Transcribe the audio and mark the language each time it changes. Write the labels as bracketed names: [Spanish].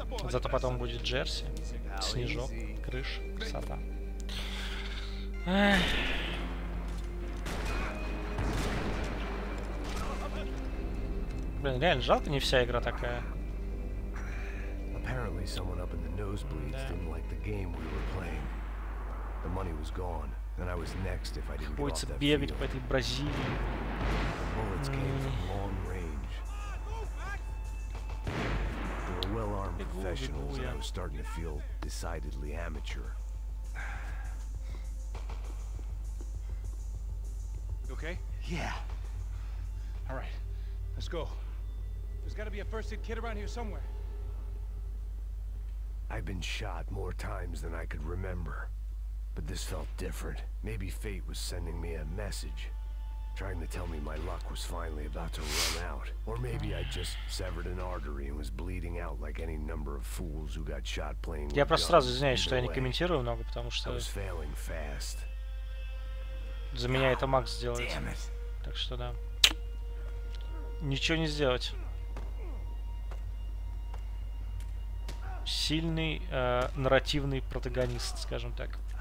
[Russian] Зато потом будет Джерси, снежок, крыша, красота. Блин, реально жалко, не вся игра такая. [English] Apparently someone up in the nosebleeds didn't like the game we were playing. The money was gone, and I was next if I didn't get off that field. [Russian] Хочется бегать по этой Бразилии. [English] The bullets came from long range. They were well-armed professionals, and I was starting to feel decidedly amateur. You okay? Yeah. All right, let's go. There's got to be a first aid kit around here somewhere. I've been shot more times than I could remember, but this felt different. Maybe fate was sending me a message, trying to tell me my luck was finally about to run out. Or maybe I just severed an artery and was bleeding out like any number of fools who got shot playing with guns. [Russian] Я просто сразу извиняюсь, что я не комментирую много, потому что... [English] I was failing fast. [Russian] За меня это Макс сделает. Так что да. Ничего не сделать. Сильный нарративный протагонист, скажем так.